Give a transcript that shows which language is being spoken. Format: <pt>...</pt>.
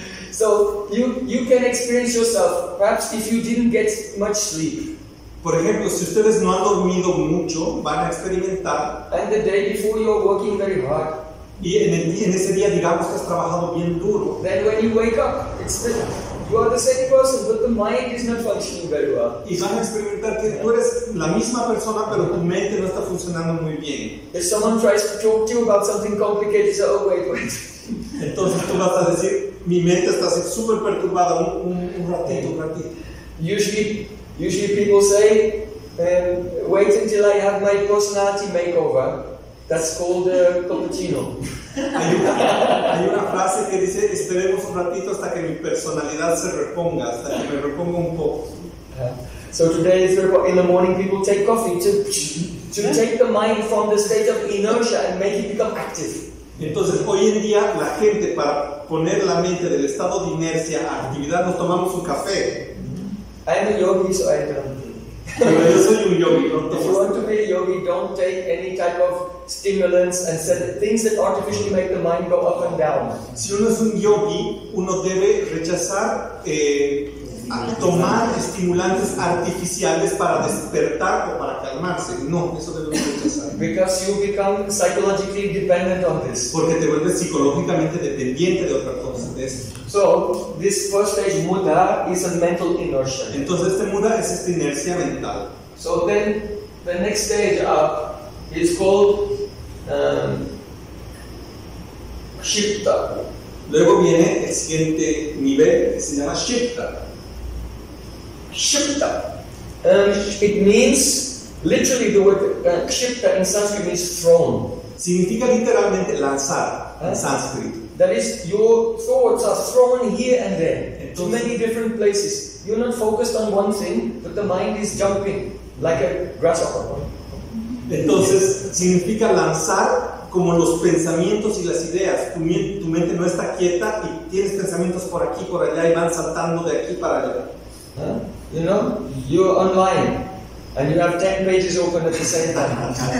<en>So you can experience yourself, perhaps if you didn't get much sleep.</en> <es>Por ejemplo, si ustedes no han dormido mucho, van a experimentar.</es> <en>And the day before you are working very hard.</en> <es>Y en ese día digamos que has trabajado bien duro.</es> <en>Then when you wake up, it's different. You are the same person, but the mind is not functioning very well.</en> <es>Y van a experimentar que tú eres la misma persona, pero tu mente no está funcionando muy bien.</es> <en>If someone tries to talk to you about something complicated, say, oh, wait, wait.</en> <es>Entonces tú vas a decir, mi mente está súper perturbada, un ratito, un ratito.</es> <en>Usually people say, wait until I have my personality makeover. That's called the cappuccino.</en> <es>Hay una frase que dice, esperemos un ratito hasta que mi personalidad se reponga, hasta que me reponga un poco.</es> <en>So today is in the morning people take coffee to take the mind from the state of inertia and make it become active.</en> <es>Entonces hoy en día la gente para poner la mente del estado de inercia a actividad nos tomamos un café.</es> <en>I'm a yogi, so I don't.</en> <es>Yo soy un yogi, no tomo.</es> <en>If you want to be a yogi, don't take any type of stimulants and set things that artificially make the mind go up and down.</en> <es>Si uno es un yogi, uno debe rechazar tomar estimulantes artificiales para despertar o para calmarse. No, eso debe rechazar.</es> <en>Because you become psychologically dependent on this.</en> <es>Porque te vuelves psicológicamente dependiente de otra cosa, de esto.</es> <en>So, this first stage muda is a mental inertia.</en> <es>Entonces este muda es esta inercia mental.</es> <en>So then, the next stage up is called shifta.</en> <es>Luego viene el siguiente nivel que se llama shifta. Shifta.</es> <en>It means, literally the word shifta in Sanskrit means thrown.</en> <es>Significa literalmente lanzar en Sanskrit.</es> <en>That is, your thoughts are thrown here and there, to many different places. You're not focused on one thing, but the mind is jumping like a grasshopper.</en> <es>Entonces, significa lanzar como los pensamientos y las ideas. Tu mente no está quieta y tienes pensamientos por aquí, por allá, y van saltando de aquí para allá.</es> <en>You know, you're online, and you have 10 pages open at the same time.</en>